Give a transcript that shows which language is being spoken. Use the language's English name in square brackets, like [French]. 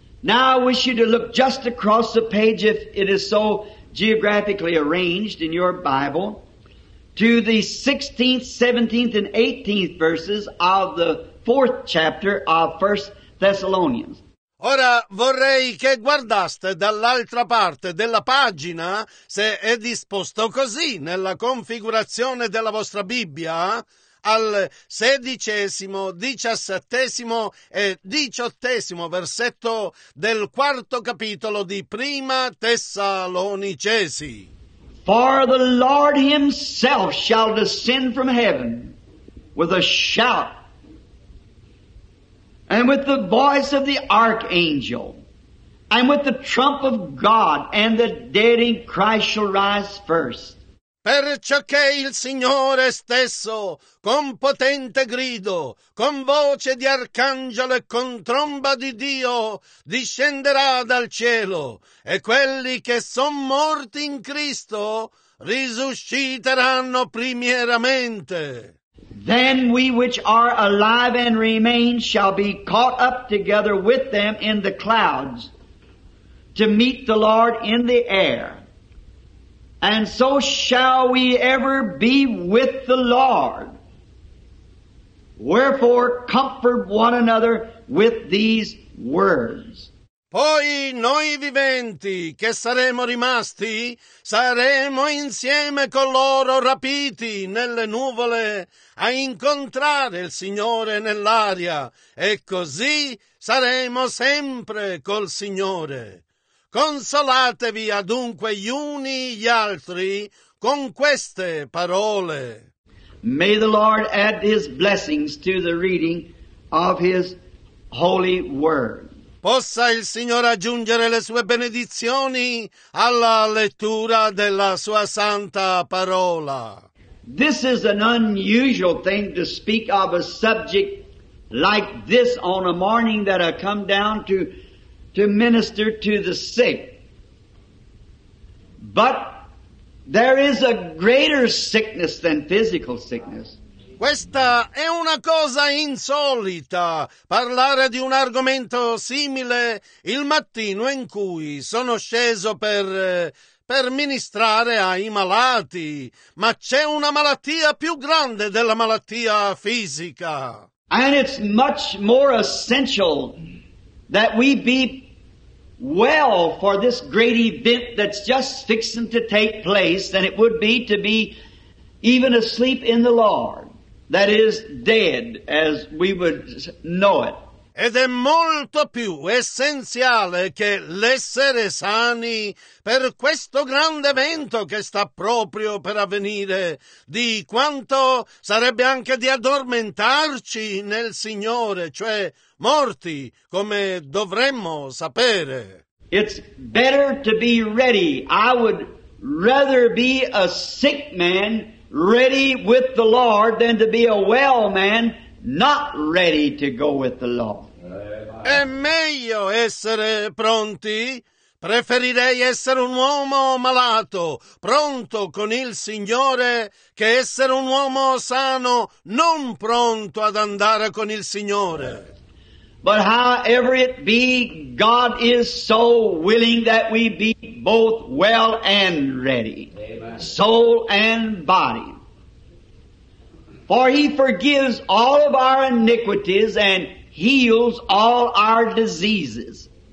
[English] Now I wish you to look just across the page, if it is so geographically arranged in your Bible, to the 16th, 17th, and 18th verses of the 4th chapter of 1 Thessalonians. [Italian] Ora vorrei che guardaste dall'altra parte della pagina, se è disposto così nella configurazione della vostra Bibbia, al 16, 17 e 18 versetto del 4° capitolo di Prima Tessalonicesi. [English] For the Lord himself shall descend from heaven with a shout, and with the voice of the archangel, and with the trump of God, and the dead in Christ shall rise first. [Italian] Perciò che il Signore stesso, con potente grido, con voce di arcangelo e con tromba di Dio, discenderà dal cielo, e quelli che son morti in Cristo risusciteranno primieramente. [English] Then we which are alive and remain shall be caught up together with them in the clouds to meet the Lord in the air. And so shall we ever be with the Lord. Wherefore comfort one another with these words. [Italian] Poi noi viventi che saremo rimasti saremo insieme con loro rapiti nelle nuvole a incontrare il Signore nell'aria, e così saremo sempre col Signore. Consolatevi adunque gli uni gli altri con queste parole. [English] May the Lord add his blessings to the reading of his holy word. [Italian] Possa il Signore aggiungere le sue benedizioni alla lettura della sua santa parola. [English] This is an unusual thing to speak of a subject like this on a morning that I come down to minister to the sick. But there is a greater sickness than physical sickness. [Italian] Questa è una cosa insolita, parlare di un argomento simile il mattino in cui sono sceso per ministrare ai malati, ma c'è una malattia più grande della malattia fisica. [English] And it's much more essential that we be well for this great event that's just fixing to take place than it would be to be even asleep in the Lord. That is dead, as we would know it. [Italian] Ed è molto più essenziale che l'essere sani per questo grande evento che sta proprio per avvenire, di quanto sarebbe anche di addormentarci nel Signore, cioè morti, come dovremmo sapere. [English] It's better to be ready. I would rather be a sick man ready with the Lord than to be a well man not ready to go with the Lord. [Italian] È meglio essere pronti. Preferirei essere un uomo malato, pronto con il Signore, che essere un uomo sano, non pronto ad andare con il Signore. [English] But however it be, God is so willing that we be both well and ready. Amen. Soul and body. For he forgives all of our iniquities and heals all our diseases.